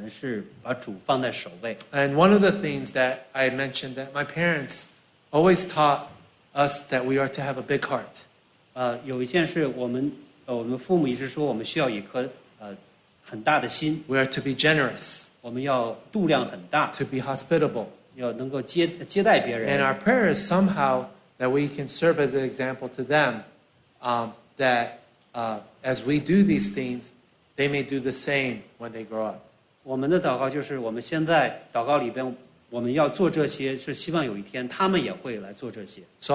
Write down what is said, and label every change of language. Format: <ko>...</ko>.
<zh>我希望他们看到我们是把主放在首位。</zh> <en>And one of the things that I mentioned that my parents always taught us that we are to have a big heart.</en> <zh>有一件事我们父母一直说我们需要一颗很大的心。</zh> <en>We are to be generous.</en> <zh>我们要度量很大。</zh> <en>To be hospitable.</en> <zh>要能够接待别人。</zh> <en>And our prayer is somehow that we can serve as an example to them that as we do these things, they may do the same when they grow up.</en> <zh>我们的祷告就是我们现在祷告里边我们要做这些是希望有一天他们也会来做这些。</zh> <en>So</en>